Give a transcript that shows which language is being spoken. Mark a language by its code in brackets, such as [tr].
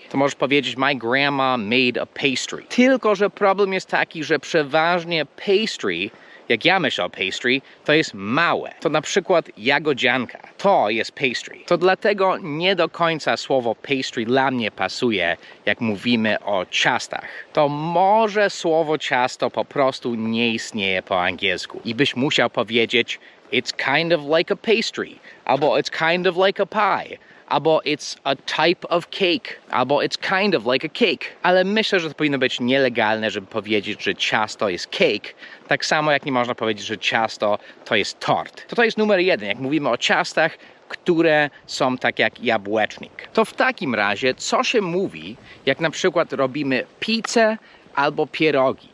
[pl] To możesz powiedzieć, [en] my grandma made a pastry. [pl] Tylko, że problem jest taki, że przeważnie pastry, jak ja myślę o pastry, to jest małe. To na przykład jagodzianka. To jest pastry. To dlatego nie do końca słowo pastry dla mnie pasuje, jak mówimy o ciastach. To może słowo ciasto po prostu nie istnieje po angielsku. I byś musiał powiedzieć [en] it's kind of like a pastry. [pl] Albo [en] it's kind of like a pie. Albo it's a type of cake. [pl] Albo [en] it's kind of like a cake. [pl] Ale myślę, że to powinno być nielegalne, żeby powiedzieć, że ciasto jest cake. Tak samo jak nie można powiedzieć, że ciasto to jest tort. To jest numer jeden, jak mówimy o ciastach, które są tak jak jabłecznik. To w takim razie, co się mówi, jak na przykład robimy pizzę albo pierogi.